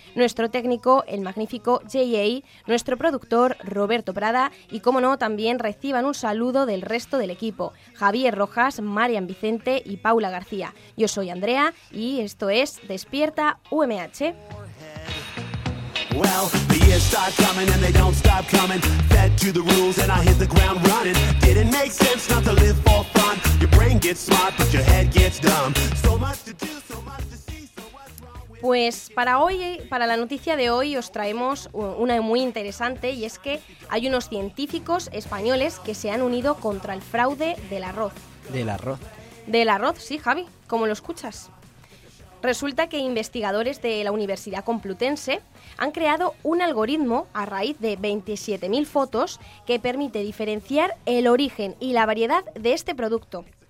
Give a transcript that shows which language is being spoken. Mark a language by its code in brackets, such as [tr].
[es] Nuestro técnico, el magnífico J.A., nuestro productor, Roberto Prada, y como no, también reciban un saludo del resto del equipo, Javier Rojas, Marian Vicente y Paula García. Yo soy Andrea y esto es Despierta UMH. [en] Well, the years start coming and they don't stop coming. Fed to the rules and I hit the ground running. Didn't make sense not to live for fun. Your brain gets smart but your head gets dumb. So much to do, so much to see, so what's wrong with... [es] Pues para hoy, para la noticia de hoy, os traemos una muy interesante, y es que hay unos científicos españoles que se han unido contra el fraude del arroz. ¿Del arroz? Del arroz, sí, Javi, como lo escuchas. Resulta que investigadores de la Universidad Complutense han creado un algoritmo a raíz de 27.000 fotos que permite diferenciar el origen y la variedad de este producto.